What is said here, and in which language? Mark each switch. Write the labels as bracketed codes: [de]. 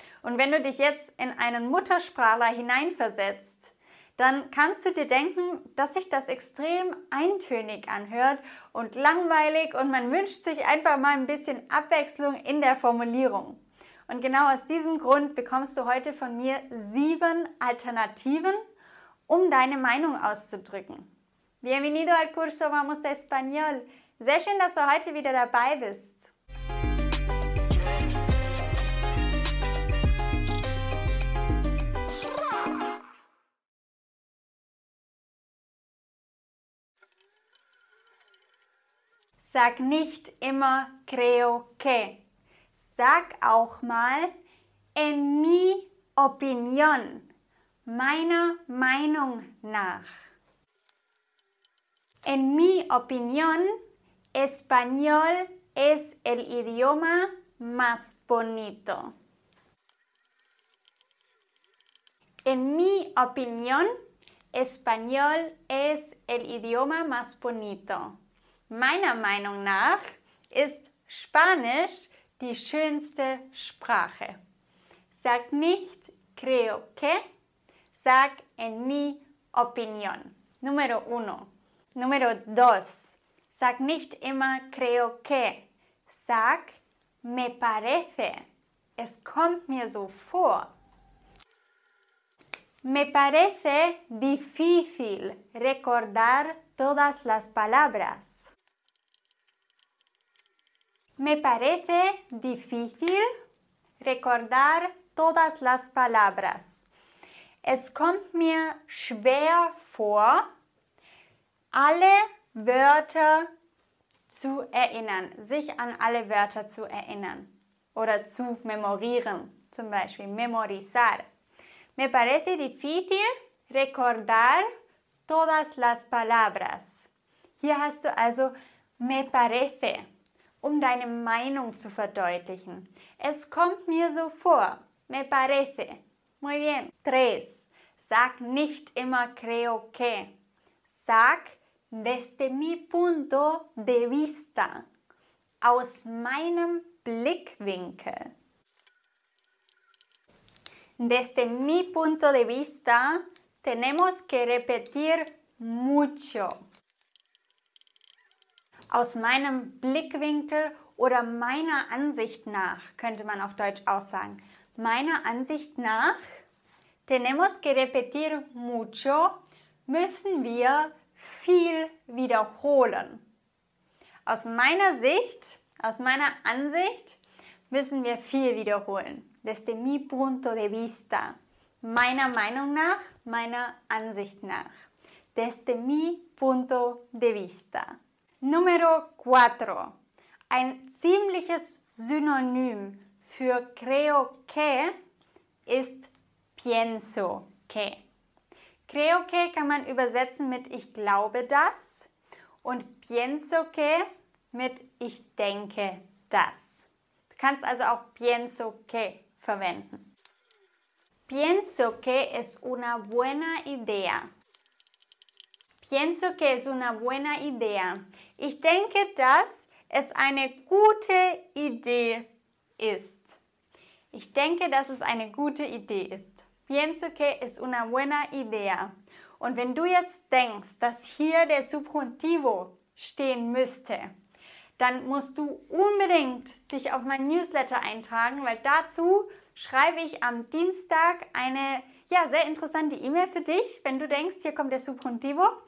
[de] Und wenn du dich jetzt in einen Muttersprachler hineinversetzt, dann kannst du dir denken, dass sich das extrem eintönig anhört und langweilig und man wünscht sich einfach mal ein bisschen Abwechslung in der Formulierung. Und genau aus diesem Grund bekommst du heute von mir 7 Alternativen, um deine Meinung auszudrücken. [es] Bienvenido al curso Vamos a Español. [de] Sehr schön, dass du heute wieder dabei bist. Sag nicht immer creo que. Sag auch mal en mi opinión, meiner Meinung nach. [es] En mi opinión, español es el idioma más bonito. En mi opinión, español es el idioma más bonito. [de] Meiner Meinung nach ist Spanisch die schönste Sprache. Sag nicht [es] creo que, sag en mi opinión. Número uno. Número dos. [de] Sag nicht immer creo que. Sag me parece. Es kommt mir so vor. [es] Me parece difícil recordar todas las palabras. Me parece difícil recordar todas las palabras. [de] Es kommt mir schwer vor, alle Wörter zu erinnern, sich an alle Wörter zu erinnern oder zu memorieren, zum Beispiel memorizar. [es] Me parece difícil recordar todas las palabras. [de] Hier hast du also me parece, um deine Meinung zu verdeutlichen. Es kommt mir so vor. [es] Me parece. Muy bien. Tres. [de] Sag nicht immer creo que. [es] Sag desde mi punto de vista. [de] Aus meinem Blickwinkel. [es] Desde mi punto de vista tenemos que repetir mucho. [de] Aus meinem Blickwinkel oder meiner Ansicht nach, könnte man auf Deutsch auch sagen. Meiner Ansicht nach, [es] tenemos que repetir mucho, [de] müssen wir viel wiederholen. Aus meiner Sicht, aus meiner Ansicht, müssen wir viel wiederholen. [es] Desde mi punto de vista. [de] Meiner Meinung nach, meiner Ansicht nach. [es] Desde mi punto de vista. Número 4. [de] Ein ziemliches Synonym für creo que ist pienso que. Creo que kann man übersetzen mit ich glaube das und pienso que mit ich denke das. Du kannst also auch pienso que verwenden. [es] Pienso que es una buena idea. Pienso que es una buena idea. [de] Ich denke, dass es eine gute Idee ist. Ich denke, dass es eine gute Idee ist. [es] Pienso que es una buena idea. [de] Und wenn du jetzt denkst, dass hier der Subjuntivo stehen müsste, dann musst du unbedingt dich auf mein Newsletter eintragen, weil dazu schreibe ich am Dienstag eine sehr interessante E-Mail für dich, wenn du denkst, hier kommt der Subjuntivo.